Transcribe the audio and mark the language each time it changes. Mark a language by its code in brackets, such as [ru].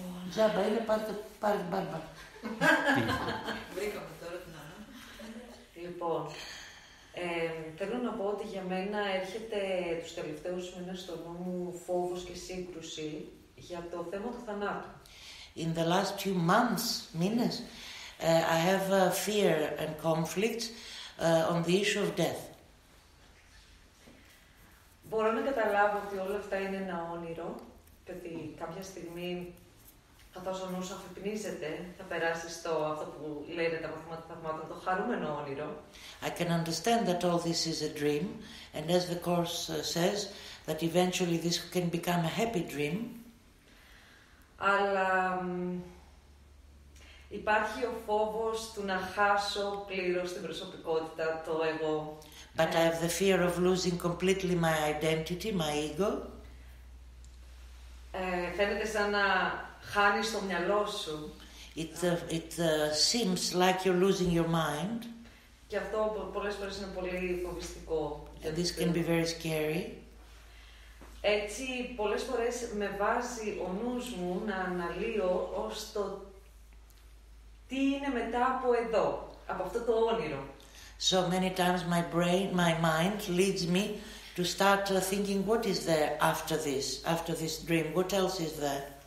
[el] Τζάμπα, είναι πάρτε πάλι μπάρμπα. Βρήκαμε τώρα την άλλη. Λοιπόν, θέλω να πω ότι για μένα έρχεται τους τελευταίους μήνες στο νου μου φόβος και σύγκρουση για το θέμα του θανάτου. [en] In the last few months, μήνες, I have fear and conflicts on the issue of death. [el] Μπορώ να καταλάβω ότι όλα αυτά είναι ένα όνειρο και ότι κάποια στιγμή καθώς ο νους αφυπνίζεται, θα περάσει στο αυτό που λένε τα μαθήματα θαυμάτων, το χαρούμενο όνειρο. [en] I can understand that all this is a dream, and as the course says, that eventually this can become a happy dream. [el] Αλλά υπάρχει ο φόβος του να χάσω πλήρως την προσωπικότητα, το εγώ. [en] But I have the fear of losing completely my identity, my ego. [el] Φαίνεται σαν να χάνεις το μυαλό σου. [en] It seems like you're losing your mind. [el] Και αυτό πολλές φορές είναι πολύ φοβιστικό. [en] And this can be very scary. [el] Έτσι, πολλές φορές με βάζει ο νους μου να αναλύω ως το τι είναι μετά από εδώ, από αυτό το όνειρο. [en] So many times my brain, my mind leads me to start thinking what is there after this dream, what else is there?